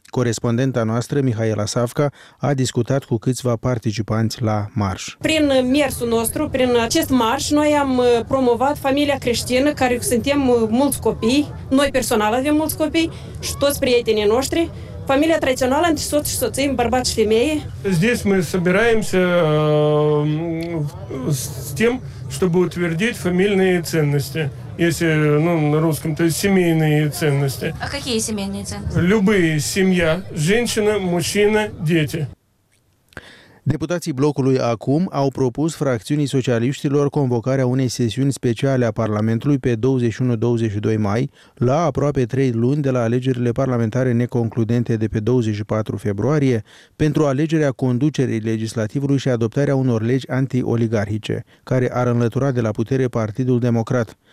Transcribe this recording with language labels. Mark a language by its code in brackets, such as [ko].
[ro] Corespondenta noastră, Mihaela Savca, a discutat cu câțiva participanți la marș. Prin mersul nostru, prin acest marș, noi am promovat familia creștină, care suntem mulți copii, noi personal avem mulți copii și toți prietenii noștri, familia tradițională între soț și soție, bărbați și femeie. [ru] Здесь мы собираемся с тем, чтобы утвердить фамильные ценности. Если, на русском, то есть семейные ценности. А какие семейные ценности? Любые: семья, женщина, мужчина, дети. [ro] Deputații blocului Acum au propus fracțiunii socialiștilor convocarea unei sesiuni speciale a Parlamentului pe 21-22 mai, la aproape 3 luni de la alegerile parlamentare neconcludente de pe 24 februarie, pentru alegerea conducerii legislativului și adoptarea unor legi anti-oligarhice, care ar înlătura de la putere Partidul Democrat.